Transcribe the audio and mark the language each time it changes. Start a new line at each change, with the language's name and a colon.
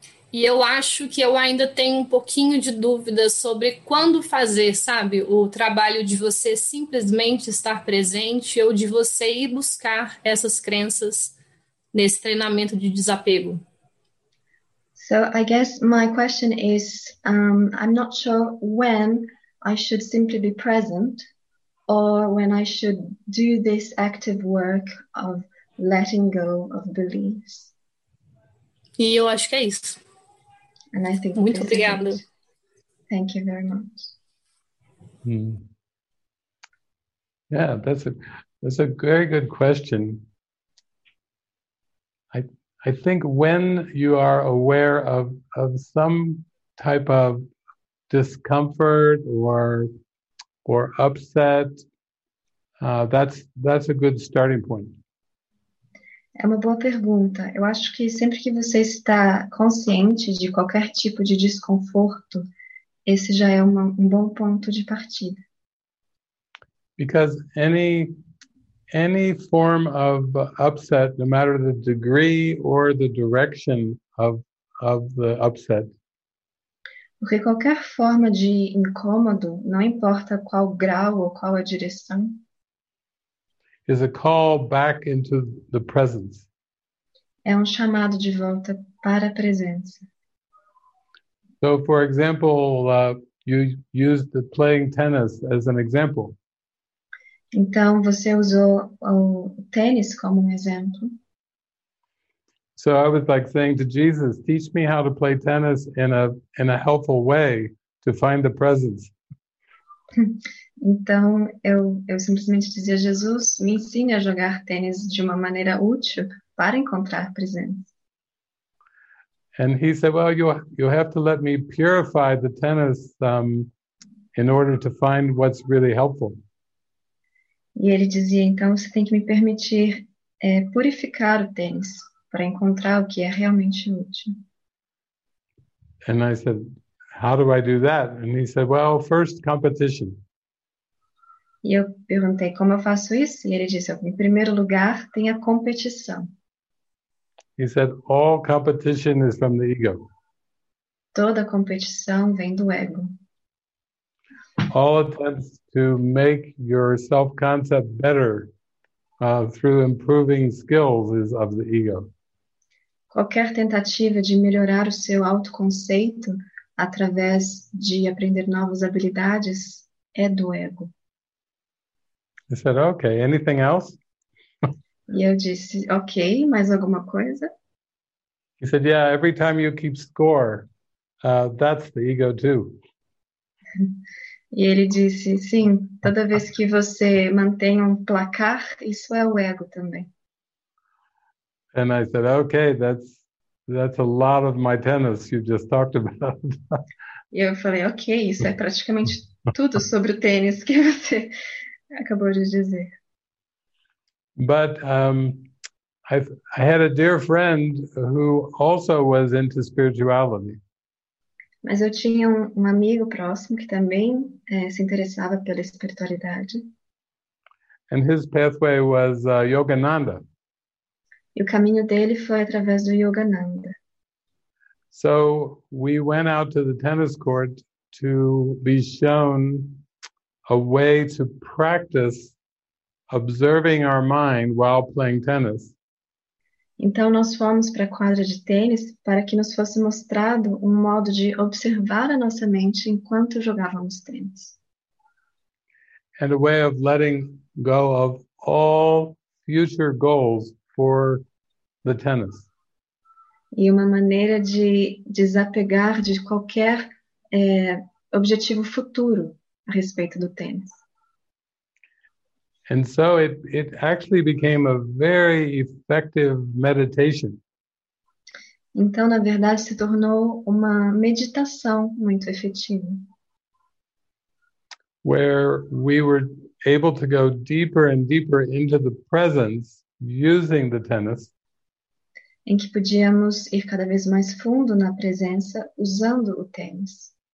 Portuguese: E eu acho que eu ainda tenho um pouquinho de dúvida sobre quando fazer, sabe, o trabalho de você simplesmente estar presente ou de você ir buscar essas crenças nesse treinamento de desapego.
English: So I guess my question is, I'm not sure when I should simply be present or when I should do this active work of letting go of beliefs.
Portuguese: E eu acho que é isso.
English: And I think
Portuguese: muito obrigada.
English: Thank you very much. Yeah, that's a very good question. I think when you are aware of some type of discomfort or upset, that's a good starting point.
Portuguese: É uma boa pergunta. Eu acho que sempre que você está consciente de qualquer tipo de desconforto, esse já é um bom ponto de partida.
English: Because any form of upset, no matter the degree or the direction of the upset.
Portuguese: Porque qualquer forma de incômodo, não importa qual grau ou qual a direção,
English: is a call back into the presence.
Portuguese: É um chamado de volta para a presença.
English: So, for example, you used the playing tennis as an example.
Portuguese: Então, você usou o tênis como um exemplo.
English: So I was like saying to Jesus, teach me how to play tennis in a helpful way to find the presence.
Portuguese: Então, eu simplesmente dizia, Jesus, me ensine a jogar tênis de uma maneira útil para encontrar presença.
English: And he said, well, you have to let me purify the tennis in order to find what's really helpful.
Portuguese: E ele dizia, então, você tem que me permitir purificar o tênis para encontrar o que é realmente útil.
English: And I said, how do I do that? And he said, well, first competition.
Portuguese: E eu perguntei, como eu faço isso? E ele disse, em primeiro lugar, tem a competição.
English: He said, all competition is from the ego.
Portuguese: Toda competição vem do ego.
English: All attempts to make your self-concept better through improving skills is of the ego.
Portuguese: Qualquer tentativa de melhorar o seu autoconceito através de aprender novas habilidades é do ego.
English: I said, okay, anything else?
Portuguese: E eu disse, ok, mais alguma coisa?
English: He said, yeah, every time you keep score, that's the ego too.
Portuguese: E ele disse, sim, toda vez que você mantém um placar, isso é o ego também.
English: And I said, okay, that's a lot of my tennis you just talked about.
Portuguese: E eu falei, ok, isso é praticamente tudo sobre o tênis que você acabou de dizer.
English: But I had a dear friend who also was into spirituality.
Portuguese: Mas eu tinha um amigo próximo que também se interessava pela espiritualidade.
English: And his pathway was Yogananda.
Portuguese: E o caminho dele foi através do Yogananda.
English: So we went out to the tennis court to be shown a way to practice observing our mind while playing tennis.
Portuguese: Então, nós fomos para a quadra de tênis para que nos fosse mostrado um modo de observar a nossa mente enquanto jogávamos tênis.
English: And a way of letting go of all future goals for the tennis.
Portuguese: e uma maneira de desapegar de qualquer objetivo futuro a respeito do tênis.
English: And so it actually became a very effective meditation.
Portuguese: Então, na verdade, se tornou uma meditação muito efetiva.
English: Where we were able to go deeper and deeper into the presence using the tennis.
Portuguese: Em que podíamos ir cada vez mais fundo na presença usando o tênis.